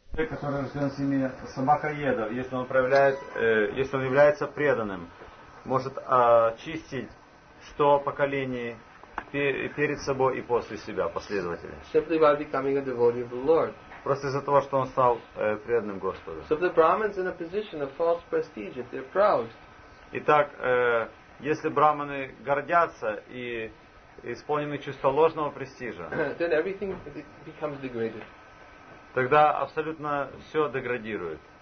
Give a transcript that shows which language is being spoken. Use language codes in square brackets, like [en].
[ru] Человек, который рожден с имени Самахаеда, если он является преданным, может очистить 100 поколений перед собой и после себя, последователи. [en] Simply by becoming a devotee of the Lord. [ru] Просто из-за того, что он стал преданным Господу. [en] So the Brahmins in a position of false prestige, if they're proud. [ru] Итак, если брахманы гордятся и исполнены чувство ложного престижа, [en] then everything becomes degraded. [ru] Тогда абсолютно все деградирует.